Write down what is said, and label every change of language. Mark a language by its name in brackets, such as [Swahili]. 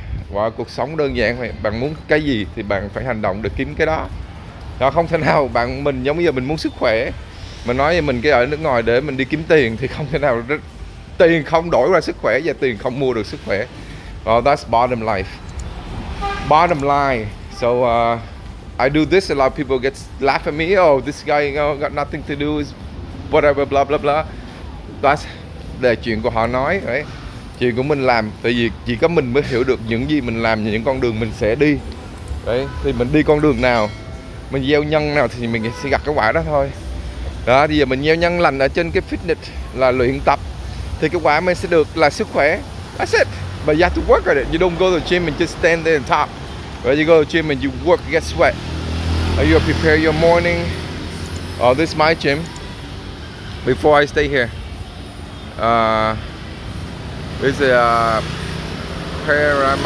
[Vietnamese] Wow, cuộc sống đơn giản vậy. Bạn muốn cái gì thì bạn phải hành động để kiếm cái đó. Đó không thể nào bạn mình giống như mình muốn sức khỏe, mình nói mình cái ở nước ngoài để mình đi kiếm tiền thì không thể nào. Tiền không đổi ra sức khỏe và tiền không mua được sức khỏe. [English] Well, that's bottom life. Bottom line. So I do this, a lot of people get laugh at me. Oh, this guy, you know, got nothing to do, is whatever, blah blah blah. That's the [Vietnamese] chuyện của họ nói, [English] right? [Vietnamese] Chuyện của mình làm, tại vì chỉ có mình mới hiểu được những gì mình làm và những con đường mình sẽ đi. Đấy, thì mình đi con đường nào, mình gieo nhân nào thì mình sẽ gặt cái quả đó thôi. Đó, thì giờ mình gieo nhân lành ở trên cái fitness là luyện tập thì cái quả mình sẽ được là sức khỏe. [English] That's it. But you have to work at it. You don't go to the gym and just stand there on top. But you go to the gym and you work, you get sweat. And you prepare your morning. Oh, this is my gym. Before I stay here. This is a prayer.